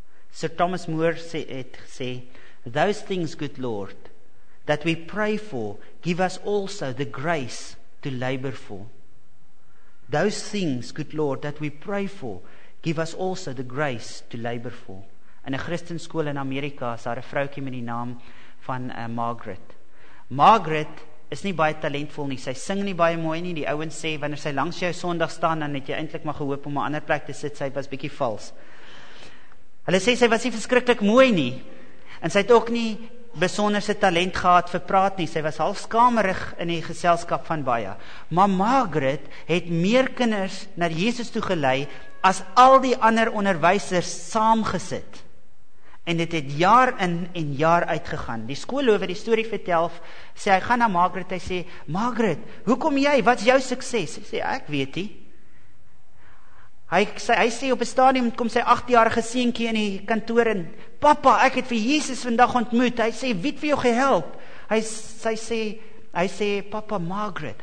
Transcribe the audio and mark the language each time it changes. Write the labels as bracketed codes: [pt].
[en] Sir Thomas Moore [af] het gesê, [en] those things, good Lord, that we pray for, give us also the grace to labor for. Those things, good Lord, that we pray for, give us also the grace to labor for. [af] In 'n Christen skool in Amerika is daar 'n vroukie met die naam van Margaret. Margaret is nie baie talentvol nie. Sy sing nie baie mooi nie. Die ouens sê wanneer sy langs jou Sondag staan, dan het jy eintlik maar gehoop om 'n ander plek te sit. Sy was bietjie vals. Hulle sê sy was nie verskriklik mooi nie. En sy het ook nie besonderse talent gehad vir praat nie. Sy was half skamerig in die geselskap van baie. Maar Margaret het meer kinders na Jesus toe gelei as al die ander onderwysers saamgesit. En dit het jaar in en jaar uit gegaan. Die skoolhoof het die storie vertel, sê hy gaan na Margaret, hy sê, Margaret, hoekom jy, wat is jou sukses? Hy sê, ek weet nie. Hy sê op 'n stadium kom sy 8-jarige seentjie in die kantoor en, Papa, ek het vir Jesus vandag ontmoet. Hy sê, wie het vir jou gehelp? Hy sê, Papa, Margaret.